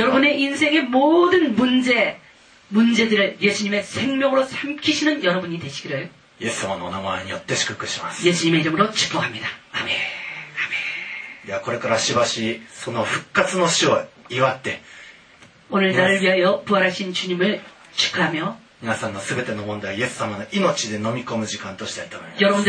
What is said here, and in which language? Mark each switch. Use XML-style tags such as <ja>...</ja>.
<ko>여러분의인생의모든문제문제들을예수님의생명으로삼키시는여러분이되시기를 예수님의</ko> <ja>名前によって祝福します。</ja> <ko>예수님의이름으로축복합니다。 아멘아멘。</ko> <ja>ではこれからしばしその復活の死を祝って</ja> <ko>오늘나를위하여부활하신주님을축하하며</ko> <ja>皆さんの全ての問題イエス様の命で飲み込む時間としたいと思います。</ja>